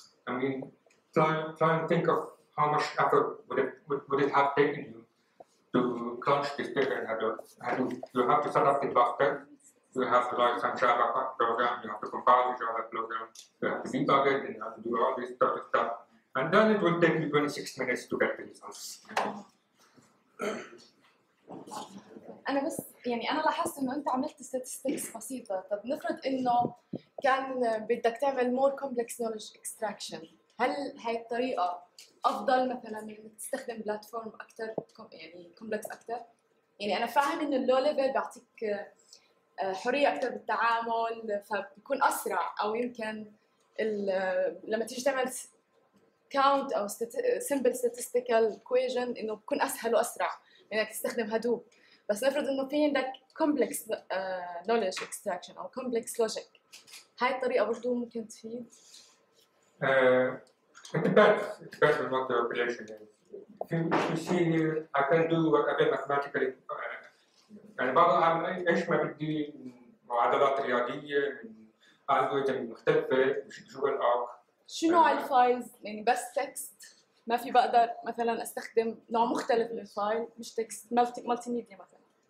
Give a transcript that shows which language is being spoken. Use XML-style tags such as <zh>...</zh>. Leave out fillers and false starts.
<en>I mean try and think of how much effort would it have taken you to crunch this data in Hadoop? You have to set up the cluster, you have to write some Java program, you have to compile the Java program, you have to debug it, and you have to do all this sort of stuff. And then it will take you 26 minutes to get the results.</en> <ar>أنا بس يعني أنا لاحظت إنه أنت عملت statistics بسيطة. طب نفرض إنه كان بدك تعمل</ar> <en>more complex knowledge extraction.</en> <ar>هل هاي الطريقة أفضل مثلاً من تستخدم بلاتفورم أكتر يعني كومبلكس أكتر؟ يعني أنا فاهم إنه اللو ليفل بيعطيك حرية أكتر بالتعامل فبيكون أسرع أو يمكن لما تيجي تعمل كاونت أو سيمبل ستاتستيكال كويجن إنه بيكون أسهل وأسرع إنك يعني تستخدم هدوب بس نفرض إنه في عندك كومبلكس نولج إكستراكشن أو كومبلكس لوجيك هاي الطريقة برضو ممكن تفيد؟</ar> <en>It depends on what the operation is. If you see here, I can do whatever mathematically.</en> <ar>يعني بعض الأحيان إيش ما بدي معادلات رياضية من algorithms مختلفة مش جوا الأرك. شو نوع الفايلز؟ يعني بس text؟ ما في بقدر مثلا استخدم نوع مختلف من الفايل مش text multi media مثلا.</ar>